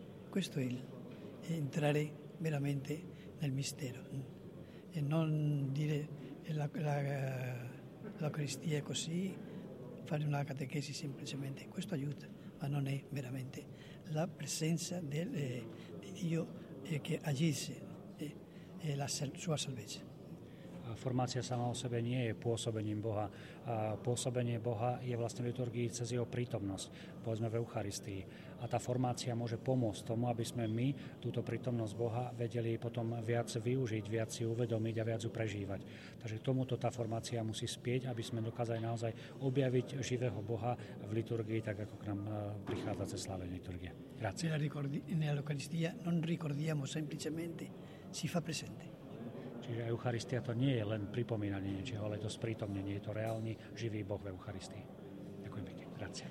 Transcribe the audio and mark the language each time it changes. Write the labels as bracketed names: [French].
[Italian] Questo è entrare veramente nel mistero e non dire l'Eucaristia è così, fare una catechesi semplicemente. Questo aiuta, ma non è veramente la presenza di Dio che agisce e la sua salvezza. [Slovak] Formácia sama o sebe nie je pôsobením Boha. A pôsobenie Boha je vlastne v liturgii cez jeho prítomnosť, povedzme v Eucharistii. A tá formácia môže pomôcť tomu, aby sme my túto prítomnosť Boha vedeli potom viac využiť, viac si uvedomiť a viac ju prežívať. Takže tomuto tá formácia musí spieť, aby sme dokázali naozaj objaviť živého Boha v liturgii, tak ako k nám prichádza cez slávenie liturgie. [Italian] Grazie. Nella Eucharistia non ricordiamo semplicemente, si fa presente. [Slovak] Čiže Eucharistia to nie je len pripomínanie niečoho, ale to sprítomnenie, je to reálny živý Boh v Eucharistii. Ďakujem pekne. [Italian] Grazie.